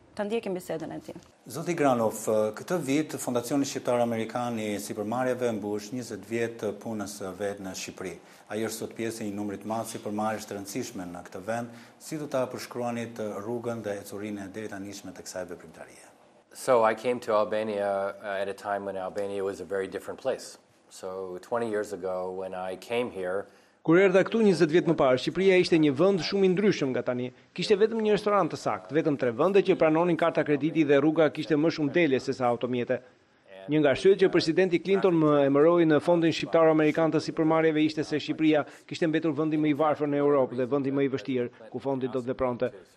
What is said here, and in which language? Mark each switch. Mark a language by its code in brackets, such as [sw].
[sq] Të ndjekim bisedën e tij. Zoti Granoff, këtë vit Fondacioni Shqiptar Amerikan i Sipërmarrjeve mbush 20 vjet të punës së vet në Shqipëri. Ai është sot pjesë e një numri të madh sipërmarrësh të rëndësishme në këtë vend. Si do ta përshkruani rrugën dhe ecurinë deri tanishme të kësaj veprimtarie? [en] So I came to Albania at a time when Albania was a very different place. So 20 years ago when I came here, [sq] kur erdha këtu 20 vjet më parë, Shqipëria ishte një vend shumë i ndryshëm nga tani. Kishte vetëm një restoran të sakt, vetëm tre vende që pranonin karta krediti dhe rruga kishte më shumë dele se sa automjete. Një nga arsyet që presidenti Clinton më emëroi në Fondin Shqiptaro-Amerikan të Sipërmarrjeve ishte se Shqipëria kishte mbetur vendi më i varfër në Europë dhe vendi më i vështirë ku fondi do të vepronte.